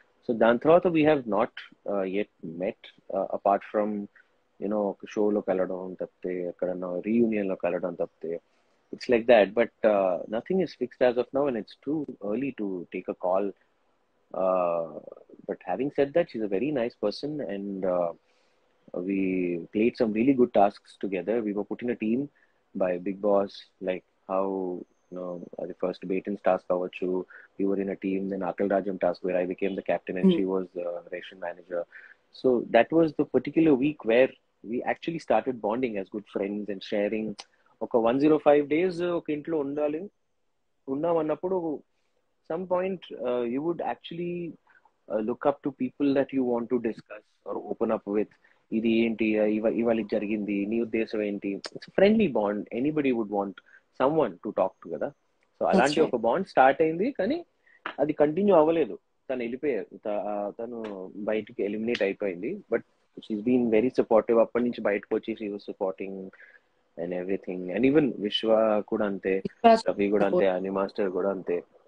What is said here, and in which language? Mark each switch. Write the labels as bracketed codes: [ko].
[en] so [te] దాని తర్వాత [en] we have not yet met apart from you know [te] ఒక షోలో కలడం తప్పితే, [en] ఎక్కడన్నా రీయూనియన్ లో కలడం తప్పితే, it's like that. But nothing is fixed as of now and it's too early to take a call. But having said that she's a very nice person and we played some really good tasks together. We were putting a team by Big Boss, like how, you know, the first Baitin's task avachu, we were in a team, then Akal Rajam task where I became the captain and she was the ration manager. So that was the particular week where we actually started bonding as good friends and sharing. Okay, 105 days, okay, [te] intlo undali unnam annapudu [en] some point you would actually look up to people that you want to discuss or open up with. [te] ఇది ఏంటి, ఇవాళ ఇది జరిగింది, నీ ఉద్దేశం ఏంటి. [en] It's friendly bond, anybody would want someone to talk to కదా. [te] So అలాంటి ఒక బాండ్ స్టార్ట్ అయింది, కానీ అది కంటిన్యూ అవ్వలేదు. తను వెళ్ళిపోయారు, తను బయటికి ఎలిమినేట్ అయిపోయింది. [en] but she's been very supportive [te] అప్పటి నుంచి బయటకు వచ్చి, [en] she was supporting and everything, and even Vishwa కూడా అంతే, [te] రవి కూడా అంతే, అని మాస్టర్ కూడా అంతే.